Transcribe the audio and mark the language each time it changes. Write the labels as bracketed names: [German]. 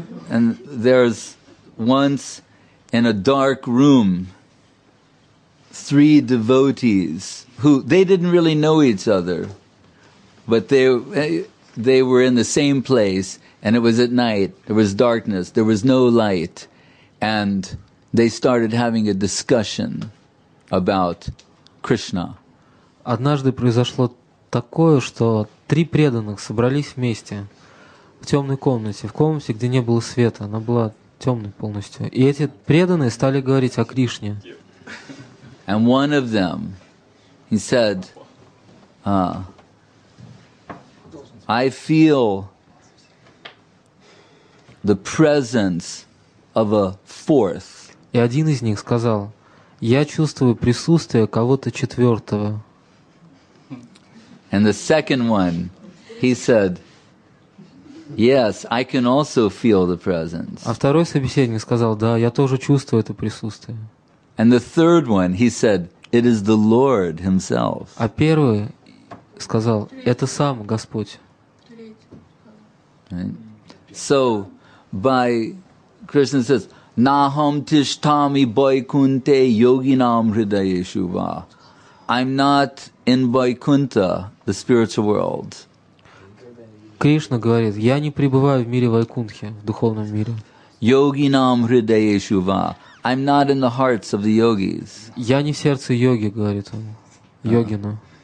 [English] And there's once in a dark room, three devotees who they didn't really know each other. But they were in the same place, and it was at night, there was darkness, there was no light, and they started having a discussion about Krishna. [Russian] Однажды произошло такое, что три преданных собрались вместе в темной комнате, в комнате, где не было света, она была темной полностью. И эти преданные стали говорить о Кришне. [English] And one of them, he said, I feel the presence of a fourth. [Russian] И один из них сказал: "Я чувствую присутствие кого-то четвёртого". [English] And the second one, he said, "Yes, I can also feel the presence". [Russian] А второй собеседник сказал: "Да, я тоже чувствую это присутствие". [English] And the third one, he said, "It is the Lord himself". [Russian] А первый сказал: "Это сам Господь". [English] Right. So, by Krishna says, [Sanskrit] "Naham tishtami Vaikunte yoginam hridayeshu va." [English] I'm not in Vaikunta, the spiritual world. [Russian] Кришна говорит, я не пребываю в мире Вайкунтхе, в духовном мире. [Sanskrit] Yoginam hridayeshu va. [English] I'm not in the hearts of the yogis. [Russian] Я не в сердце йоги, говорит он, йогина.